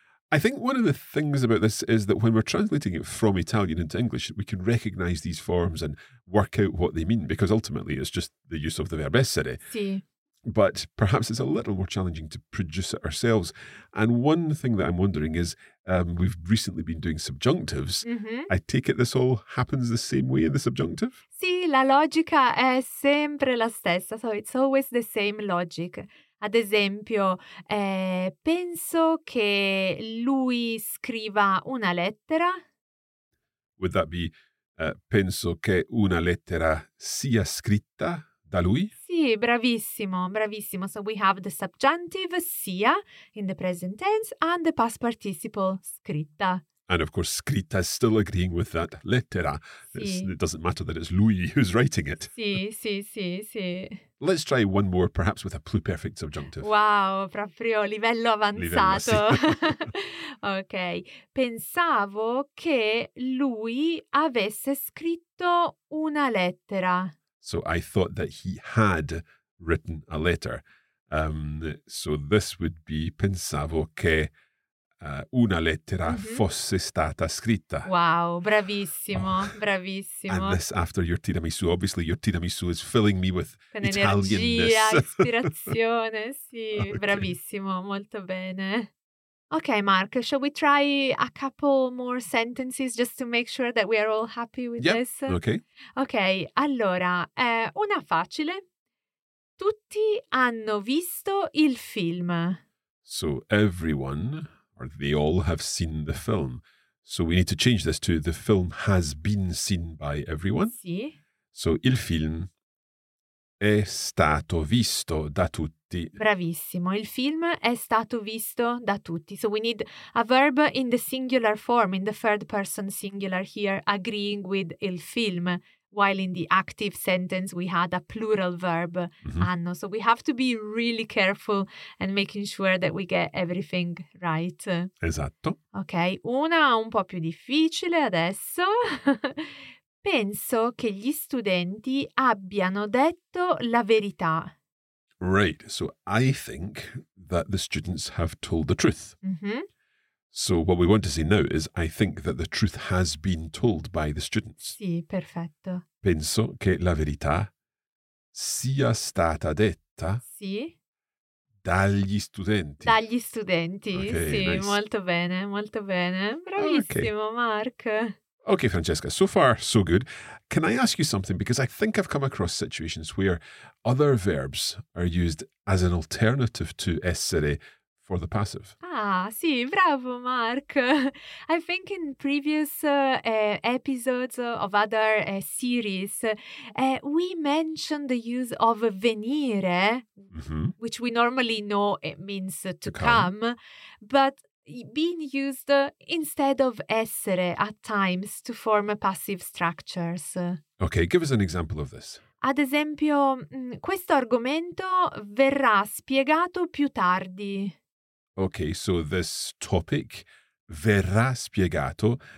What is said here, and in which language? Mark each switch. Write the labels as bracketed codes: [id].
[en] I think one of the things about this is that when we're translating it from Italian into English, we can recognize these forms and work out what they mean, because ultimately it's just the use of the verb essere. [it] Sì. [en] But perhaps it's a little more challenging to produce it ourselves. And one thing that I'm wondering is, we've recently been doing subjunctives. I take it this all happens the same way in the subjunctive? [it] Sì, la logica è sempre la stessa. [en] So it's always the same logic. [it] Ad esempio, penso che lui scriva una lettera. [en] Would that be, [it] penso che una lettera sia scritta da lui? Sì, bravissimo, bravissimo. [en] So we have the subjunctive sia in the present tense and the past participle scritta. And of course, scritta is still agreeing with that lettera. [it] Sì. [en] It doesn't matter that it's lui who's writing it. [it] Sì, sì, sì, sì. [en] Let's try one more, perhaps with a pluperfect subjunctive. [it] Wow, proprio livello avanzato. Livello, sì. Ok. Pensavo che lui avesse scritto una lettera. [en] So I thought that he had written a letter. So this would be [it] pensavo che una lettera fosse stata scritta. Wow, bravissimo, oh. Bravissimo. [en] And this after your tiramisu. Obviously your tiramisu is filling me with [it] con [en] Italian-ness. [it] Energia, ispirazione, sì, okay. Bravissimo, molto bene. [en] Okay, Mark, shall we try a couple more sentences just to make sure that we are all happy with this? Yeah, okay. [it] Okay, allora, una facile. Tutti hanno visto il film. [en] So everyone, or they all have seen the film. So we need to change this to the film has been seen by everyone. [it] Sì. [en] So [it] il film è stato visto da tutti. Bravissimo, il film è stato visto da tutti. [en] So we need a verb in the singular form, in the third person singular here, agreeing with il film, while in the active sentence we had a plural verb, hanno. So we have to be really careful and making sure that we get everything right. [it] Esatto. Ok, una un po' più difficile adesso. Penso che gli studenti abbiano detto la verità. [en] Right, so I think that the students have told the truth. So what we want to say now is I think that the truth has been told by the students. [it] Sì, perfetto. Penso che la verità sia stata detta? Sì. Dagli studenti. Dagli studenti, okay, sì, nice. Molto bene, molto bene. Bravissimo, okay. Mark. [en] Okay, Francesca, so far, so good. Can I ask you something? Because I think I've come across situations where other verbs are used as an alternative to essere for the passive. [it] Ah, sì, bravo, Mark. [en] I think in previous episodes of other series, we mentioned the use of venire, which we normally know it means to come, but being used instead of essere at times to form passive structures. Okay, give us an example of this. [it] Ad esempio, questo argomento verrà spiegato più tardi. [en] Okay, so this topic [it] verrà spiegato.